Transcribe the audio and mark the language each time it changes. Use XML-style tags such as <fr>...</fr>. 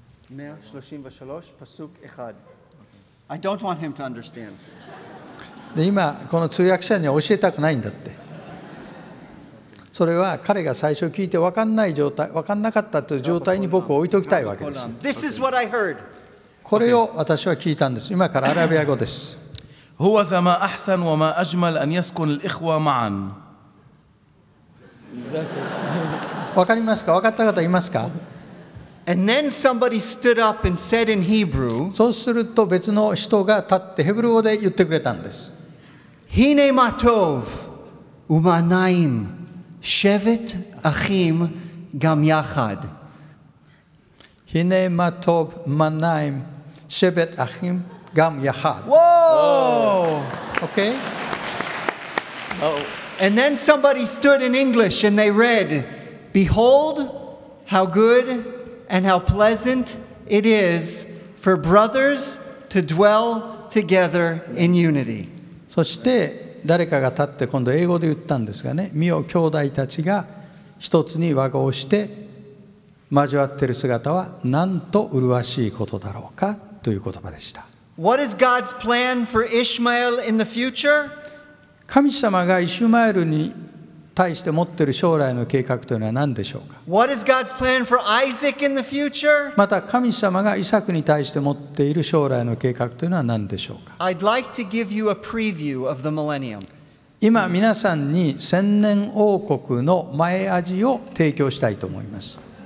<en>133, Pasuk 1. I don't want him to understand.</en> <ja>で、今この通訳者には教えたくないんだって。それは彼が最初聞いて分かんない状態、分かんなかったという状態に僕を置いておきたいわけです。</ja> <en>This is what I heard.</en> <ja>これを私は聞いたんです。今からアラビア語です。</ja> <ar>هو زما أحسن وما أجمل أن يسكن الإخوة معاً.</ar> <ja>わかりますか？わかった方いますか？</ja> <en>And then somebody stood up and said in Hebrew.</en> <ja>そうすると別の人が立ってヘブル語で言ってくれたんです。</ja> <he>הנה מה טוב, ומה נעים, שבת אחים גם יחד. הנה מה טוב, מה נעים, שבת אחים. Gam Yahad.</he> <en>Whoa! Okay. And then somebody stood in English and they read, Behold how good and how pleasant it is for brothers to dwell together in unity.</en> <ja>そして誰かが立って今度英語で言ったんですがね、見よ兄弟たちが一つに和合して交わってる姿はなんと麗しいことだろうかという言葉でした。</ja> <en>What is God's plan for Ishmael in the future?</en> <ja>神様がイシュマエルに対して持っている将来の計画というのは何でしょうか？</ja> <en>What is God's plan for Isaac in the future?</en> <ja>また神様がイサクに対して持っている将来の計画というのは何でしょうか？</ja> <en>I'd like to give you a preview of the millennium.</en> <ja>今皆さんに千年王国の前味を提供したいと思います。</ja>